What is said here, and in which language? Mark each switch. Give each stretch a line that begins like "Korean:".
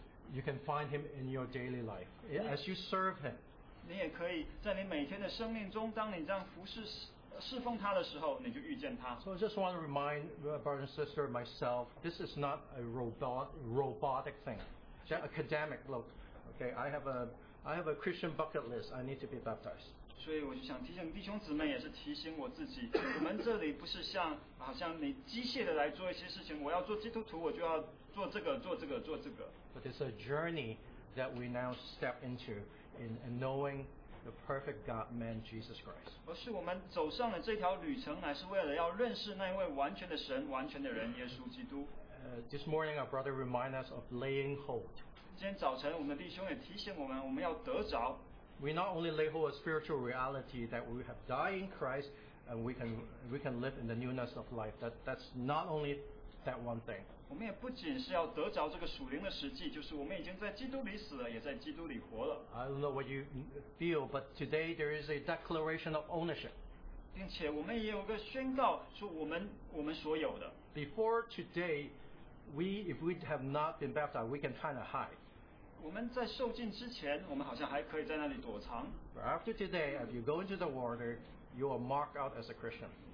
English: You can find him in your daily life as you serve him.
Chinese: 你也可以在你每天的生命中，当你这样服侍。侍奉他的时候，你就遇见他。
English: So I just want to remind brother and sister myself, this is not a robotic thing, just academic. Look, okay, I have a Christian bucket list. I need to be baptized.
Chinese: 所以我就想提醒弟兄姊妹，也是提醒我自己，我们这里不是像好像你机械的来做一些事情。我要做基督徒，我就要做这个，做这个，做这个。
English: But it's a journey that we now step into in knowing the perfect God-man Jesus Christ.
Chinese: 而是我们走上了这条旅程，乃是为了要认识那位完全的神、完全的人耶稣基督。
English: This morning, our brother reminded us of laying hold.
Chinese: 今天早晨，我们的弟兄也提醒我们，我们要得着。
English: We not only lay hold of spiritual reality that we have died in Christ and we can live in the newness of life. That's not only that one thing.
Chinese: 我们也不仅是要得着这个属灵的实际，就是我们已经在基督里死了，也在基督里活了。
English: I don't know what you feel, but today there is a declaration of ownership.
Chinese: 并且我们也有个宣告，说我们所有的。
English: Before today, if we have not been baptized, we can kind of hide.
Chinese: 我们在受浸之前，我们好像还可以在那里躲藏。
English: But after today, if you go into the water, you are marked out as a Christian.